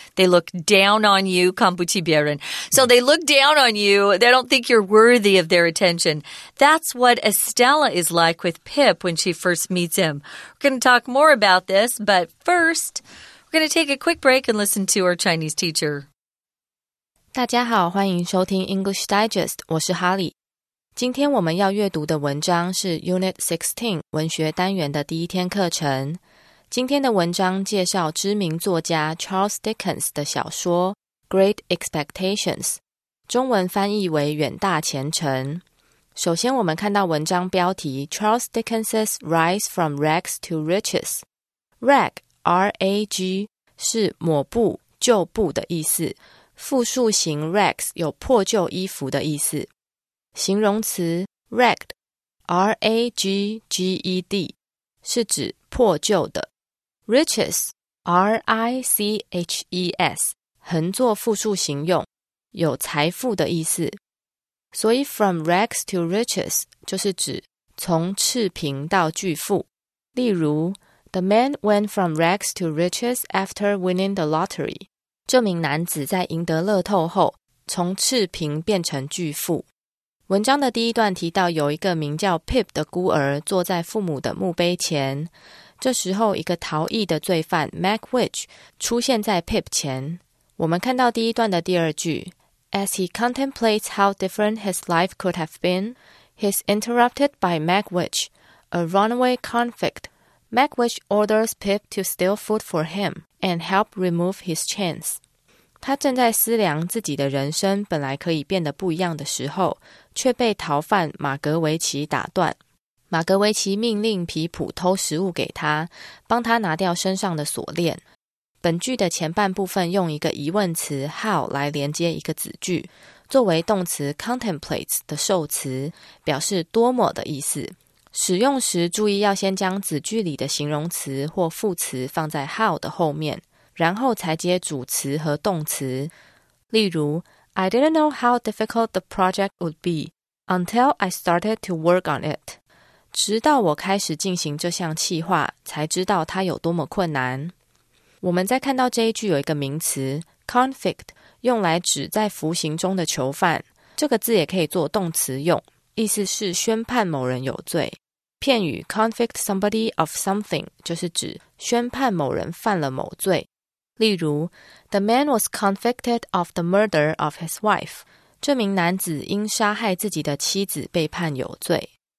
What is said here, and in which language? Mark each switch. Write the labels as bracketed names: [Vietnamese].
[English] They look down on you, Kambutibiren. So they look down on you. They don't think you're worthy of their attention. That's what Estella is like with Pip when she first meets him. We're going to talk more about this, but first, we're going to take a quick break and listen to our Chinese teacher. [Chinese] 大家好，欢迎收听 English Digest， 我是 Holly。今天我们要阅读的文章是 Unit 16 文学单元的第一天课程。今天的文章介绍知名作家 Charles Dickens 的小说Great Expectations， 中文翻译为远大前程。首先我们看到文章标题 [English] Charles Dickens' Rise from Rags to Riches。 [Chinese] Rag, R-A-G, 是抹布、旧布的意思，复数型 rags 有破旧衣服的意思。形容词 ragged, R-A-G-G-E-D, 是指破旧的。 Riches, R-I-C-H-E-S,横作复数形用，有财富的意思。所以 [English] from rags to riches [Chinese] 就是指从赤贫到巨富。例如 [English] The man went from rags to riches after winning the lottery. [Chinese] 这名男子在赢得乐透后从赤贫变成巨富。文章的第一段提到有一个名叫 Pip 的孤儿坐在父母的墓碑前。这时候一个逃逸的罪犯 Magwitch 出现在 Pip 前。我们看到第一段的第二句 [English] As he contemplates how different his life could have been, he's interrupted by Magwitch, a runaway convict. Magwitch orders Pip to steal food for him and help remove his chains. [Chinese] 他正在思量自己的人生本来可以变得不一样的时候，却被逃犯马格维奇打断。马格维奇命令皮普偷食物给他，帮他拿掉身上的锁链。本句的前半部分用一个疑问词 how 来连接一个子句，作为动词 contemplates 的受词，表示多么的意思。使用时注意要先将子句里的形容词或副词放在 how 的后面，然后才接主词和动词。例如 [English] I didn't know how difficult the project would be until I started to work on it. [Chinese] 直到我开始进行这项企划，才知道它有多么困难。我们再看到这一句有一个名词 convict， 用来指在服刑中的囚犯。这个字也可以做动词用，意思是宣判某人有罪。片语 [English] convict somebody of something [Chinese] 就是指宣判某人犯了某罪。例如 [English] The man was convicted of the murder of his wife. [Chinese] 这名男子因杀害自己的妻子被判有罪。